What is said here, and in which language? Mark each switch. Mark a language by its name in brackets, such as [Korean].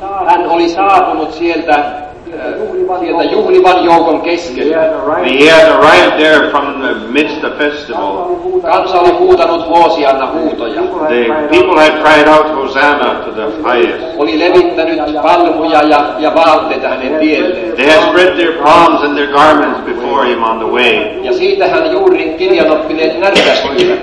[Finnish] Hän oli saapunut sieltä juhlivan joukon keskellä. [English] He had arrived there from the midst of the festival. [Finnish] Kansa oli huutanut Hoosianna huutoja. [English] The people had cried out Hosanna to the highest. [Finnish] Oli levittänyt palmuja ja vaatteita hänen tielleen. [English] They had spread their palms and their garments before him on the way. [Finnish] Ja siitä hän juuri kirjanoppineet närkästyivät.